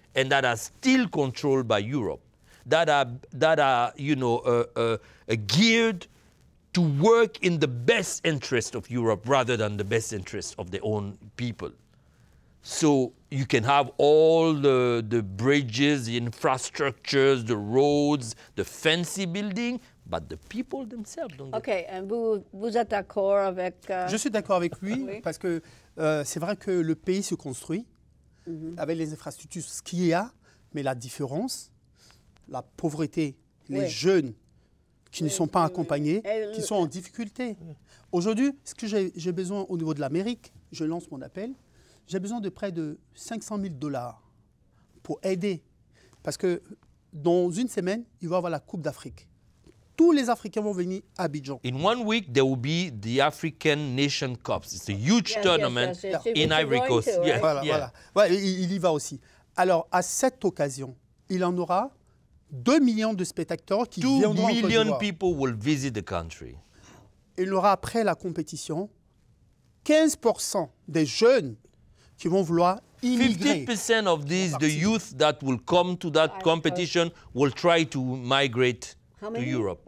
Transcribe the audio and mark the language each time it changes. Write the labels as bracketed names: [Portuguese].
[English] and that are still controlled by Europe, that are you know, geared to work in the best interest of Europe rather than the best interest of their own people. So you can have all the bridges, the infrastructures, the roads, the fancy building, but the people themselves don't. Okay, and [French] vous êtes d'accord avec. Je suis d'accord avec lui parce que c'est vrai que le pays se construit mm-hmm. avec les infrastructures, ce qu'il y a, mais la différence, la pauvreté, oui. les jeunes qui oui. ne sont pas accompagnés, oui. qui sont en difficulté. Oui. Aujourd'hui, ce que j'ai besoin au niveau de l'Amérique, je lance mon appel, j'ai besoin de près de $500,000 pour aider parce que dans une semaine, il va y avoir la Coupe d'Afrique. tous les Africains vont venir à Abidjan. [English] In 1 week, there will be the African Nation Cups. It's a huge tournament in Ivory Coast. [French] Il y va aussi. Alors, à cette occasion, il en aura 2 millions de spectateurs qui viendront en Côte d'Ivoire. [English] 2 million people will visit the country. [French] Il y aura après la compétition 15% des jeunes qui vont vouloir immigrer. [English] 50% of these, the youth that will come to that competition, will try to migrate to Europe.